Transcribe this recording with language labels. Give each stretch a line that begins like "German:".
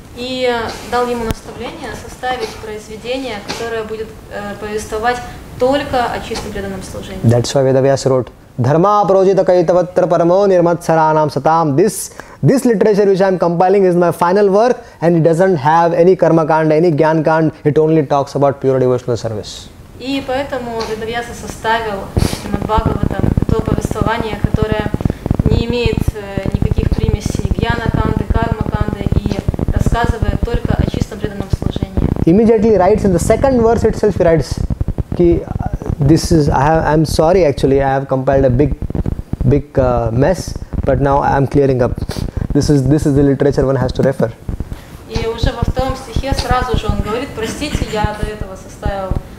Russian: И дал ему наставление составить произведение, которое будет повествовать только о чистом преданном служении.
English: That's why Vedavyas wrote
Sanskrit: dharma aprojita kaitavatra paramo nirmatsaranam satam.
English: This literature which I am compiling is my final work, and it doesn't have any karma kanda, any gyan kanda. It only talks about pure devotional service.
Russian: И поэтому Ведавьяса составил Шримад Бхагаватам то повествование, которое не имеет никаких примесей гьяна канды, карма канды и рассказывает только о чистом преданном служении.
English: Immediately writes in the second verse itself, he writes, ki, this is I'm sorry actually, I have compiled a big mess, but now I'm clearing up. This is the literature one has to refer.
Russian: И уже во втором стихе сразу же он говорит, простите, я до этого составил